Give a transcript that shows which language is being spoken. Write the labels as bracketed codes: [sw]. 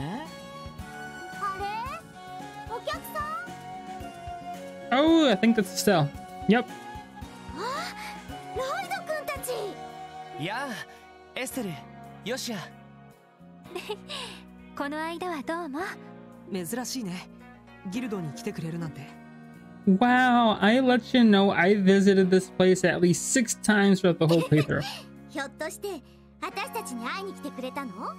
[ja] あれ？お客さん？ [en] Oh, I think that's Estelle. Yep. [ja] あ、ロイド君たち。いや、エステル、ヨシア。この間はどうも。珍しいね、ギルドに来てくれるなんて。 [en] Wow, I let you know I visited this place at least 6 times throughout the whole playthrough. [ja] ひょっとして私たちに会いに来てくれたの？